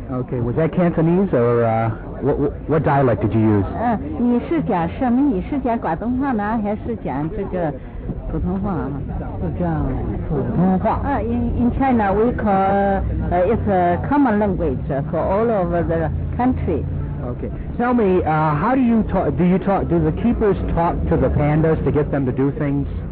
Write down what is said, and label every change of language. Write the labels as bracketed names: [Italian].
[English] Okay, was that Cantonese or what dialect did you use? [Chinese] 你是讲什么？你是讲广东话呢，还是讲这个普通话？是讲普通话。 [English] In China, we call it's a common language for all over the country. Okay, tell me, how do you talk? Do the keepers talk to the pandas to get them to do things?